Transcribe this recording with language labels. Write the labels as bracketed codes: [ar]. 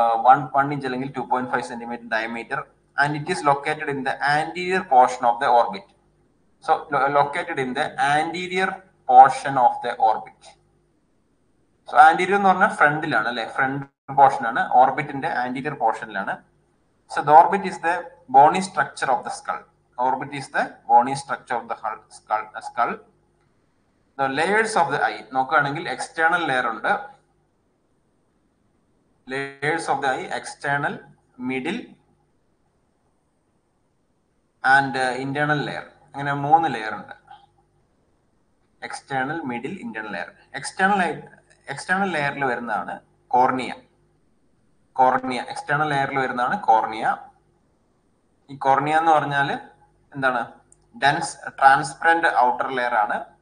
[en] 1 inch [ml] അല്ലെങ്കിൽ [en] 2.5 centimeter diameter. And it is located in the anterior portion of the orbit. So located in the anterior portion of the orbit. [ml] So anterior എന്ന് പറഞ്ഞാൽ ഫ്രണ്ടിലാണ് അല്ലെ, front പോർഷനാണ്, ഓർബിറ്റിന്റെ anterior പോർഷനിലാണ്. [en] So the orbit is the bony structure of the skull. Orbit is the bony structure of the skull. The layers of the eye. [ml] Nokkaanengil [en] external layer [ml] undu. [en] layers of the eye, external, middle, and internal layer. [ml] അങ്ങനെ മൂന്ന് layer ഉണ്ട്, external, middle, internal layer. External ലെയറിൽ വരുന്നതാണ് cornea. Cornea external ലെയറിൽ വരുന്നതാണ് cornea. ഈ cornea എന്ന് പറഞ്ഞാല് എന്താണ്, [en] dense transparent outer layer [ml] ആണ്.